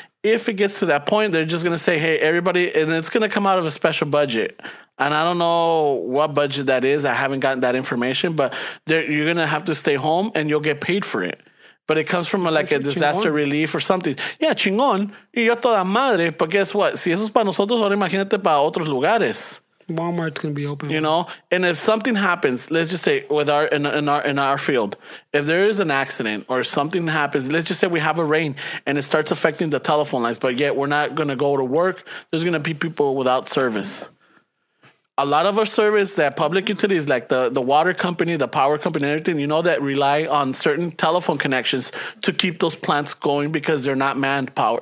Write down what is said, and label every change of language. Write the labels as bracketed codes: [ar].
[en] If it gets to that point, they're just going to say, "Hey, everybody," and it's going to come out of a special budget. And I don't know what budget that is. I haven't gotten that information, but you're going to have to stay home, and you'll get paid for it. But it comes from like a disaster relief or something. [es] Yeah, chingón. Y yo toda madre. [en] But guess what? [es] Si eso es para nosotros, ahora imagínate para otros lugares. [en] Walmart's gonna be open. You know? And if something happens, let's just say with our in our field, if there is an accident or something happens, let's just say we have a rain and it starts affecting the telephone lines, but yet we're not gonna go to work, there's gonna be people without service. A lot of our service, that public utilities, like the water company, the power company, everything, you know, that rely on certain telephone connections to keep those plants going because they're not manned power.